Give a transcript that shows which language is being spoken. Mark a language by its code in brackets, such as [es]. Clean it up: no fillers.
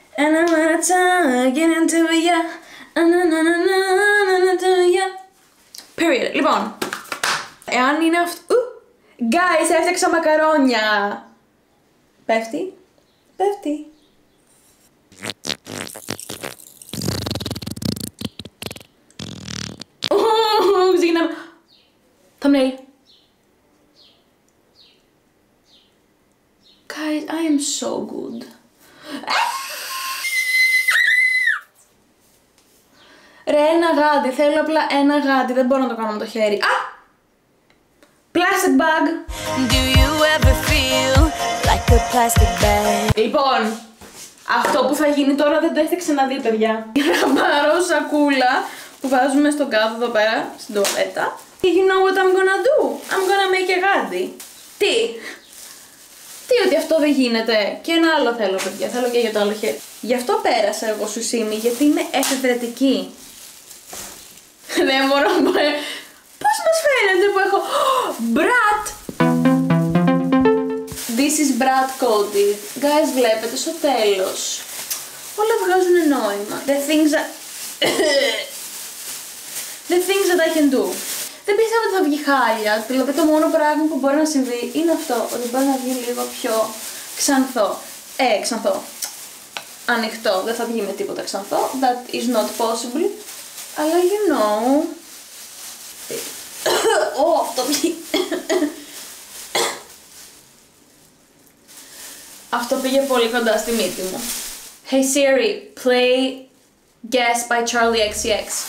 [en] And I'm gonna get into it, yeah. [el] Period. Λοιπόν, εάν είναι αυτό... Guys, έφτιαξα μακαρόνια! Πέφτει. Πέφτει. Ξεκινάμε. Thumbnail. [en] Guys, I am so good. [el] Ρε, ένα γάντι. Θέλω απλά ένα γάντι. Δεν μπορώ να το κάνω με το χέρι. [en] Α! Plastic bag. Do you ever feel like a plastic bag? [el] Λοιπόν, αυτό που θα γίνει τώρα δεν το έχετε ξαναδεί, παιδιά. Θα πάρω σακούλα που βάζουμε στον κάδο εδώ πέρα, στην τουαλέτα. [en] You know what I'm gonna do? I'm gonna make a γάντι. [el] Τι? Τι ότι αυτό δεν γίνεται? Και ένα άλλο θέλω, παιδιά. Θέλω και για το άλλο χέρι. Γι' αυτό πέρασα εγώ, Σουσίμη, γιατί είμαι εφευρετική. Δεν μπορώ να πω. Πώς μας φαίνεται που έχω... Μπρατ! [en] This is Brat Cody. [el] Guys, βλέπετε, στο τέλος όλα βγάζουν νόημα. [en] The things that I can do. [el] Δεν πιστεύω ότι θα βγει χάλια. Δηλαδή το μόνο πράγμα που μπορεί να συμβεί είναι αυτό, ότι μπορεί να βγει λίγο πιο ξανθό. Ξανθό. Ανοιχτό. Δεν θα βγει με τίποτα ξανθό. [en] That is not possible. Αλλά you know... [el] Ω, αυτό πήγε. Αυτό πήγε πολύ κοντά στη μύτη μου. [en] Hey Siri, play Guess by Charlie XCX.